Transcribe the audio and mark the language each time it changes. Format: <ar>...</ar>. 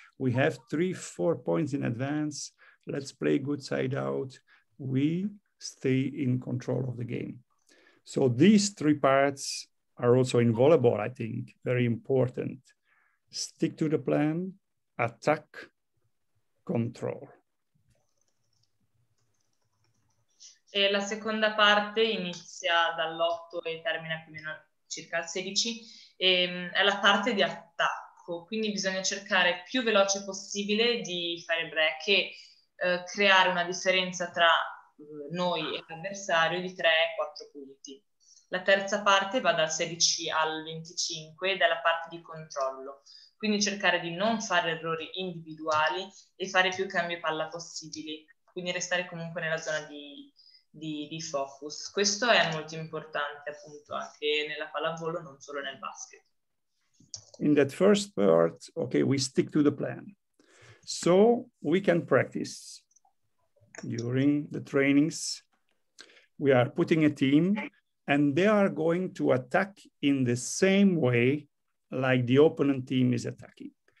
<en>We have 3-4 points in advance. Let's play good side out. We stay in control of the game. So these three parts are also in volleyball, I think, very important. Stick to the plan, attack, control.</en> <it>E la seconda parte inizia dall'8 e termina più o meno circa al 16. È la parte di attacco. Quindi bisogna cercare più veloce possibile di fare break e creare una differenza tra noi e l'avversario di 3-4 punti. La terza parte va dal 16 al 25 ed è la parte di controllo. Quindi cercare di non fare errori individuali e fare più cambi palla possibili. Quindi restare comunque nella zona di focus. Questo è molto importante appunto anche nella pallavolo, non solo nel basket.</it> <en>In that first part, okay, we stick to the plan. so we can practice during the trainings. We are putting a team and they are going to attack in the same way like the opponent team is attacking.</en>